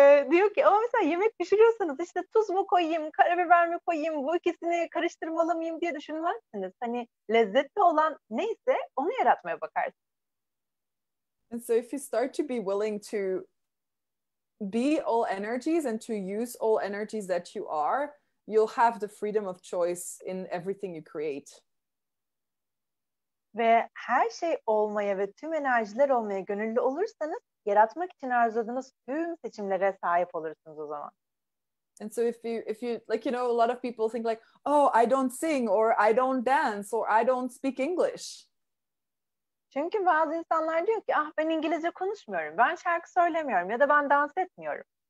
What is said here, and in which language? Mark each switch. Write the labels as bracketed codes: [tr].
[tr] Diyor ki, ama mesela yemek pişiriyorsanız işte tuz mu koyayım, karabiber mi koyayım, bu ikisini karıştırmalı mıyım diye düşünmezsiniz. Hani lezzetli olan neyse onu yaratmaya bakarsınız. [en] And so if you start to be willing to be all energies and to use all energies that you are, you'll have the freedom of choice in everything you create. [tr] Ve her şey olmaya ve tüm enerjiler olmaya gönüllü olursanız, yaratmak için arzuladığınız tüm seçimlere sahip olursunuz o zaman. [en] And so if you, like, you know, a lot of people think, like, oh, I don't sing or I don't dance or I don't speak English. [tr] Çünkü bazı insanlar diyor ki, ah, ben İngilizce konuşmuyorum, ben şarkı söylemiyorum ya da ben dans etmiyorum.